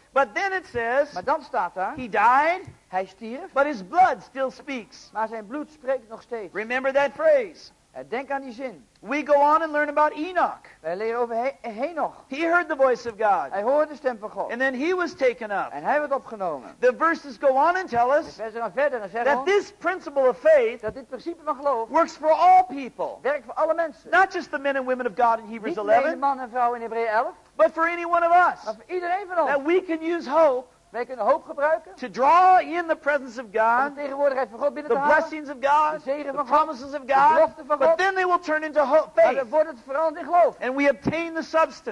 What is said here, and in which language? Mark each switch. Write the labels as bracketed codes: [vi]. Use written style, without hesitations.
[en] But then it says. [nl] Maar dan staat daar. [en] He died. [nl] Hij stierf. [en] But his blood still speaks. [nl] Maar zijn bloed spreekt nog steeds. [en] Remember that phrase. [nl] En denk aan die zin. [en] We go on and learn about Enoch. [nl] Wij leren over Henoch. [en] He heard the voice of God. [nl] Hij hoorde de stem van God. [en] And then he was taken up. [nl] En hij werd opgenomen. [en] The verses go on and tell us that this principle of faith, [nl] dat dit principe van geloof, [en] works for all people. [nl] Werkt voor alle mensen. [en] Not just the men and women of God in Hebrews 11. [nl] Niet alleen de man en vrouw in Hebreeën 11. [en] But for any one of us. [nl] Maar voor iedereen van ons. [en] That we can use hope. [nl] Wij kunnen hoop gebruiken. [en] To draw in the presence of God. [nl] Om de tegenwoordigheid van God binnen te halen. [en] The blessings of God. [nl] De zegen van God. [en] The promises of God. [nl] De belofte van God. [en] But then they will turn into faith. [nl] Maar dan wordt het veranderd in geloof. [en] And we obtain the substance.